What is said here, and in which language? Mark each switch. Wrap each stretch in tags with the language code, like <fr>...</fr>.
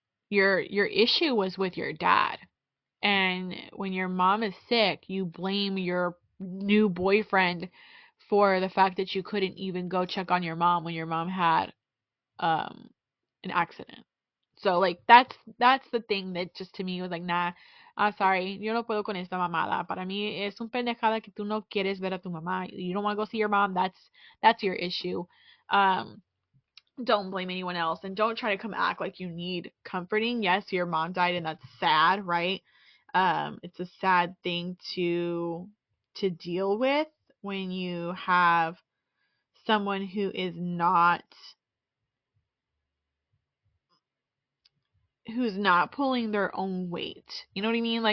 <en>Your issue was with your dad. And when your mom is sick, you blame your new boyfriend for the fact that you couldn't even go check on your mom when your mom had an accident. So, like, that's the thing that just to me was like, nah, I'm sorry.</en> <es>Yo no puedo con esta mamada. Para mí es un pendejada que tú no quieres ver a tu mamá.</es> <en>You don't want to go see your mom. That's your issue. Don't blame anyone else. And don't try to come act like you need comforting. Yes, your mom died and that's sad, right? It's a sad thing to deal with when you have someone who is not, who's not pulling their own weight. You know what I mean?</en>